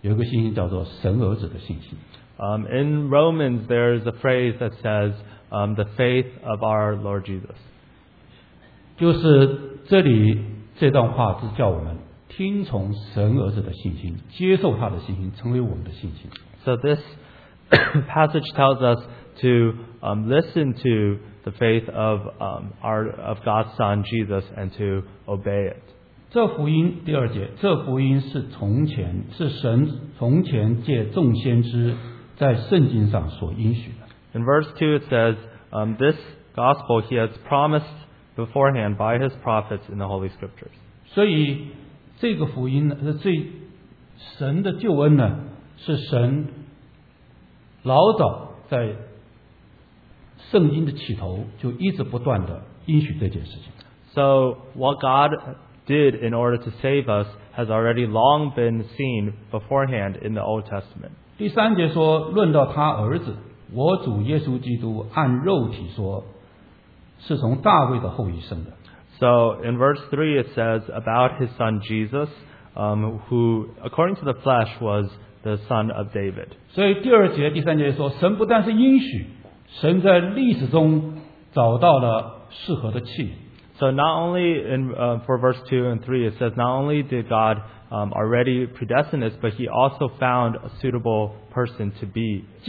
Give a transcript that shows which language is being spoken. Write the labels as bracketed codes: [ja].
[zh] 在这一卷书里面讲到这个信心，有一个信心叫做神儿子的信心。 [en] In Romans, there is a phrase that says, "The faith of our Lord Jesus." [zh] 就是这里这段话是叫我们听从神儿子的信心，接受他的信心，成为我们的信心。 [en] So this passage tells us to listen to the faith of God's Son Jesus and to obey it. [zh] 这福音第二节，这福音是从前是神从前借众先知在圣经上所应许的。 [en] In verse 2 it says, this gospel he has promised beforehand by his prophets in the Holy Scriptures. [zh] 所以这个福音呢，这神的救恩呢，是神老早在 [en] So what God did in order to save us has already long been seen beforehand in the Old Testament. [zh] 第三节说, 论到他儿子, 我主耶稣基督按肉体说, 是从大卫的后裔生的。 [en] So in verse 3 it says about his son Jesus, who according to the flesh was the son of David. [zh] 所以第二节第三节说, 神不但是应许, 神在历史中找到了适合的器。 [en] So not only in for verse 2 and 3, it says not only did God already predestine us, but he also found a suitable person to be.